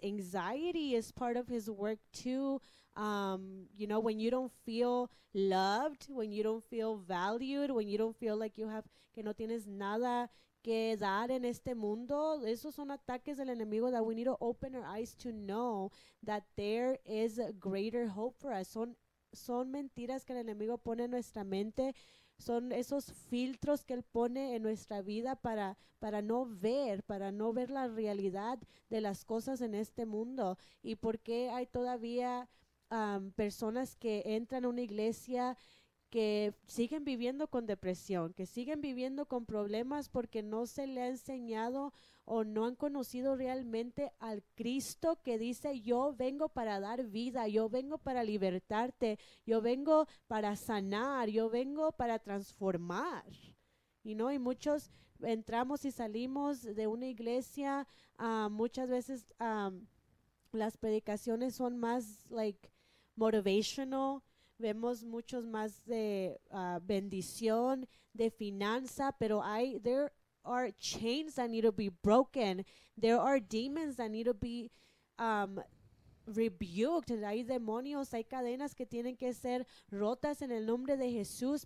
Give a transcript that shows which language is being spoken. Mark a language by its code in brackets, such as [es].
[en] Anxiety is part of his work too. You know, when you don't feel loved, when you don't feel valued, when you don't feel like you have, [es] que no tienes nada que dar en este mundo, esos son ataques del enemigo [en] that we need to open our eyes to know that there is a greater hope for us. [es] Son mentiras que el enemigo pone en nuestra mente. Son esos filtros que él pone en nuestra vida para no ver la realidad de las cosas en este mundo. Y por qué hay todavía personas que entran a una iglesia que siguen viviendo con depresión, que siguen viviendo con problemas porque no se le ha enseñado o no han conocido realmente al Cristo que dice, yo vengo para dar vida, yo vengo para libertarte, yo vengo para sanar, yo vengo para transformar. Y no, y muchos entramos y salimos de una iglesia, muchas veces las predicaciones son más [en] like motivational. [es] Vemos muchos más de bendición, de finanza, pero [en] there are chains that need to be broken. There are demons that need to be rebuked. [es] Hay demonios, hay cadenas que tienen que ser rotas en el nombre de Jesús.